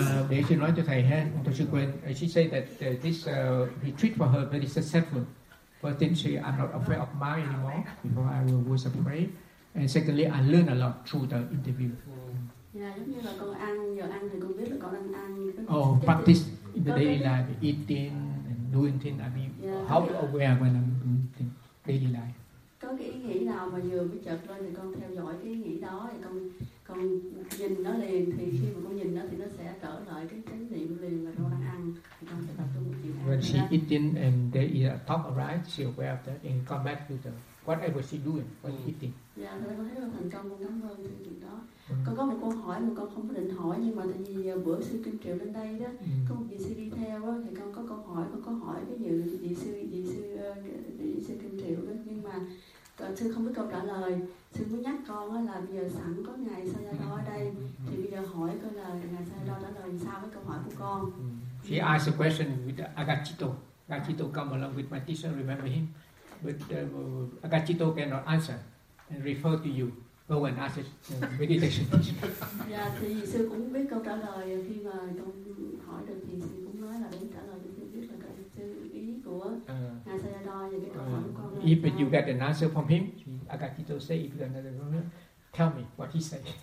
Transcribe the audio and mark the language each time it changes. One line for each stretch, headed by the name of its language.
Vietnamese: Để xin nói cho thầy ha, tôi chưa quên.
English: She said that this retreat for her very successful. First thing, she I'm not afraid of ma anymore. Before I was afraid, and secondly, I learned a lot through the interview.
Vietnamese: Yeah, giống như là con ăn giờ ăn thì con biết là con ăn.
English: Practice in the daily life, eating and doing things. I mean, yeah, how aware when I'm doing daily life.
Vietnamese: Có cái ý nghĩ nào mà vừa mới chợt lên thì con theo dõi cái ý nghĩ đó, thì con nhìn nó liền, thì khi mà con nhìn nó thì nó sẽ trở lại cái chánh niệm liền là con đang ăn, thì con sẽ tập trung một chuyện.
English: When she eating and there is a talk arise, she aware of that and come back to the whatever she doing, what she eating.
Vietnamese: Dạ, con thấy là thành công, con cảm ơn cái chuyện đó. Con có một câu hỏi mà con không có định hỏi, nhưng mà tại vì bữa sư Kim Triệu lên đây đó, có một vị sư đi theo á, thì con có câu hỏi, con có hỏi ví dụ vị sư Kim Triệu đó, nhưng mà sư không biết câu trả lời. Sư mới nhắc con á là bây giờ sẵn có ngài Sa Gia Đo ở đây, thì bây giờ hỏi con là ngài Sa Gia Đo trả lời sao với câu hỏi của con.
English: She asked a question with Agachito. Agachito come along with my teacher, remember him. But Agachito cannot answer and refer to you. Go and ask it, meditation.
Vietnamese: Yeah, thì sư cũng biết câu trả lời. Khi mà con hỏi được thì sư cũng nói là đến trả lời cho sư biết là cái sư ý của ngài Sa Gia Đo và cái câu hỏi của con.
English: If you get an answer from him, Agachito say, if you get another one, tell me what he said.